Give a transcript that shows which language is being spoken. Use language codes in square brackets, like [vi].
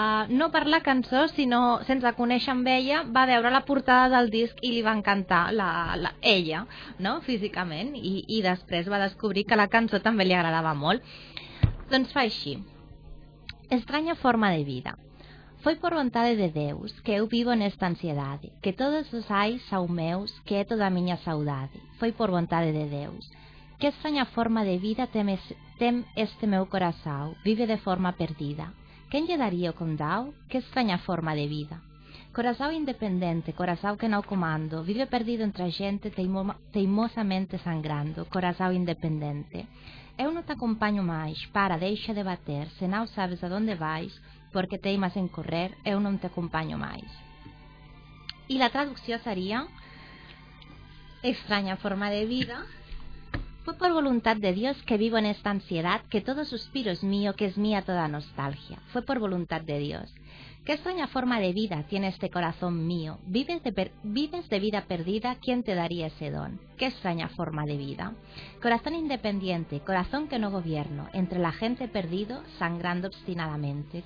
[ca] No per la cançó, sinó sense conèixer amb ella, va veure la portada del disc i li va encantar ella, no? Físicament, i després va descobrir que la cançó també li agradava molt. Doncs fa així. Estranya forma de vida. [pt] Foi por vontade de Deus que eu vivo nesta ansiedade, que todos os ais são meus, que é toda a miña saudade. Foi por vontade de Deus. Que estranha forma de vida tem este meu coração, vive de forma perdida. Quem lhe daria o condão? Que estranha forma de vida. Coração independente, coração que não comando, vive perdido entre a gente, teimosamente sangrando. Coração independente. Eu não te acompanho mais, para, deixa de bater, se não sabes aonde vais, porque teimas em correr, eu não te acompanho mais. E a tradução seria: estranha forma de vida. [es] Fue por voluntad de Dios que vivo en esta ansiedad, que todo suspiro es mío, que es mía toda nostalgia. Fue por voluntad de Dios. ¿Qué extraña forma de vida tiene este corazón mío? ¿Vives de vida perdida? ¿Quién te daría ese don? ¿Qué extraña forma de vida? Corazón independiente, corazón que no gobierno, entre la gente perdido, sangrando obstinadamente.